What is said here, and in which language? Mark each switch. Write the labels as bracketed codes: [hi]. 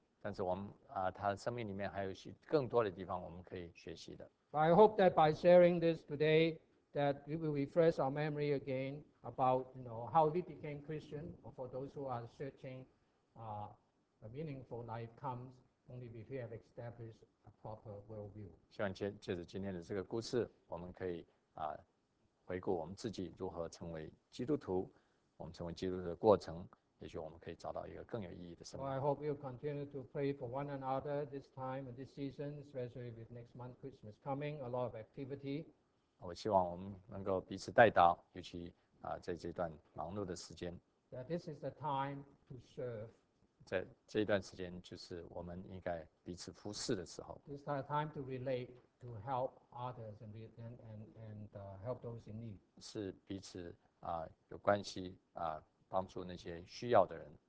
[zh] 但是我们他生命里面还有更多的地方我们可以学习的。 [en] I hope that by sharing this today, that we will refresh our memory again about, you know, how we became Christian. For those who are searching, a meaningful life comes only if we have established a proper worldview. [zh] 希望借着今天的这个故事，我们可以回顾我们自己如何成为基督徒，我们成为基督徒的过程。也许我们可以找到一个更有意义的生命。 [en] Well, I hope you'll continue to pray for one another this time and this season, especially with next month Christmas coming, a lot of activity. [zh] 我希望我们能够彼此代祷，尤其在这段忙碌的时间。 [en] That this is the time to serve. [zh] 在这段时间就是我们应该彼此服侍的时候。 [en] This is the time to relate, to help others and help those in need. [zh] 是彼此有关系帮助那些需要的人。